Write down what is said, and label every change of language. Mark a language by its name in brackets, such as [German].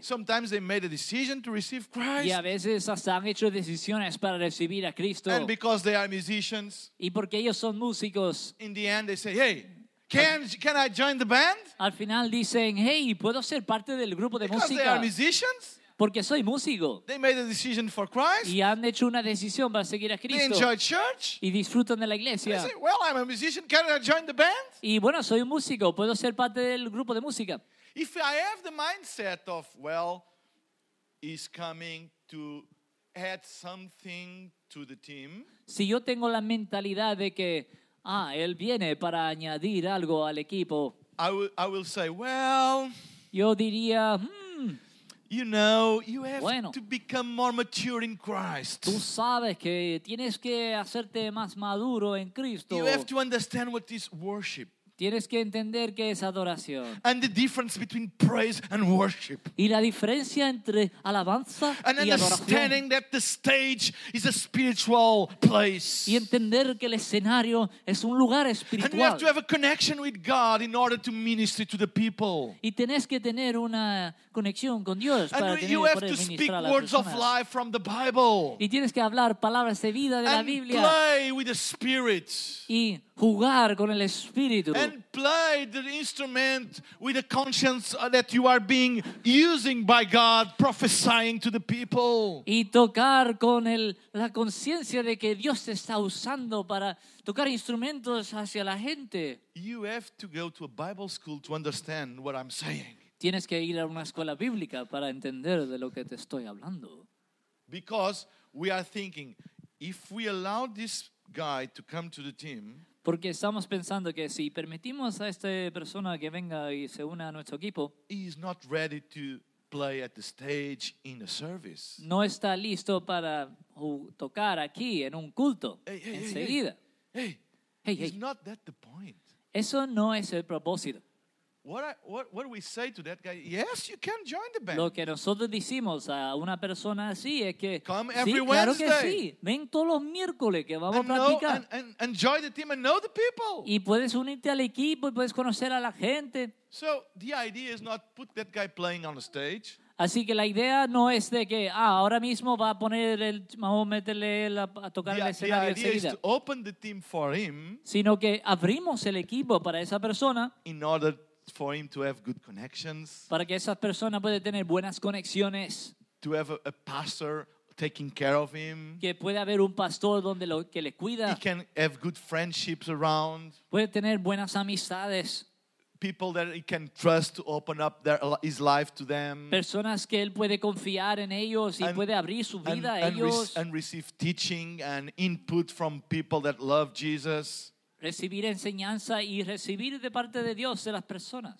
[English] Sometimes they made a decision to receive Christ. [Spanish] Y a veces hasta han hecho decisiones para recibir a Cristo. [English] And because they are musicians. [Spanish] Y porque ellos son músicos. [English] In the end they say, hey, can I join the band? [Spanish] Al final dicen, hey, ¿puedo ser parte del grupo de música? [English] Because they are musicians. [Spanish] Porque soy músico. [English] They made a decision for Christ. [Spanish] Y han hecho una decisión para seguir a Cristo. [English] They enjoy church. [Spanish] Y disfrutan de la iglesia. [English] They say, well, I'm a musician. Can I join the band? [Spanish] Y bueno, soy un músico. Puedo ser parte del grupo de música. [English] If I have the mindset of, well, he's coming to add something to the team. [Spanish] Si yo tengo la mentalidad de que, él viene para añadir algo al equipo. [English] I will say, well. [Spanish] Yo diría, [English] you know, you have to become more mature in Christ. [Spanish] Tú sabes que tienes que hacerte más maduro en Cristo. [English] You have to understand what is worship. [Spanish] Tienes que entender qué es adoración. [English] And the difference between praise and worship. [Spanish] Y la diferencia entre alabanza [English] and [Spanish] y adoración. [English] And understanding that the stage is a spiritual place. [Spanish] Y entender que el escenario es un lugar espiritual. [English] And you have to have a connection with God in order to minister to the people. [Spanish] Y tienes que tener una conexión con Dios para poder ministrar a las personas. [English] And you have to speak words of life from the Bible. [Spanish] Y tienes que hablar palabras de vida de la Biblia. [English] And play with the Spirit. [Spanish] Y jugar con el Espíritu. [English] And play the instrument with a conscience that you are being using by God, prophesying to the people. [Spanish] Y tocar con la conciencia de que Dios te está usando para tocar instrumentos hacia la gente. [English] You have to go to a Bible school to understand what I'm saying. [Spanish] Tienes que ir a una escuela bíblica para entender de lo que te estoy hablando. [English] Because we are thinking, if we allow this guy to come to the team. [Spanish] Porque estamos pensando que si permitimos a esta persona que venga y se una a nuestro equipo, [English] he is not ready to play at the stage in a service. [Spanish] No está listo para tocar aquí en un culto enseguida. [English] It's not that the point. [Spanish] Eso no es el propósito. [English] What do we say to that guy? Yes, you can join the band. [Spanish] Lo que nosotros decimos a una persona así es que [English] come every [Spanish] sí, claro [English] Wednesday. [Spanish] Que sí. Ven todos los miércoles que vamos [English] and [Spanish] a practicar. [English] And enjoy the team and know the people. [Spanish] Y puedes unirte al equipo y puedes conocer a la gente. [English] So the idea is not put that guy playing on the stage. [Spanish] Así que la idea no es de que ahora mismo va a poner el vamos a meterle a tocar [English] the, [Spanish] el escenario [English] the idea is to open the team for him. [Spanish] Sino que abrimos el equipo para esa persona. [English] In order for him to have good connections, [Spanish] para que esa persona pueda tener buenas conexiones, [English] to have a pastor taking care of him, [Spanish] que puede haber un pastor donde lo que le cuida, [English] he can have good friendships around, [Spanish] puede tener buenas amistades, [English] people that he can trust to open up his life to them, [Spanish] personas que él puede confiar en ellos y puede abrir su vida a ellos, [English] and receive teaching and input from people that love Jesus. [Spanish] Recibir enseñanza y recibir de parte de Dios de las personas.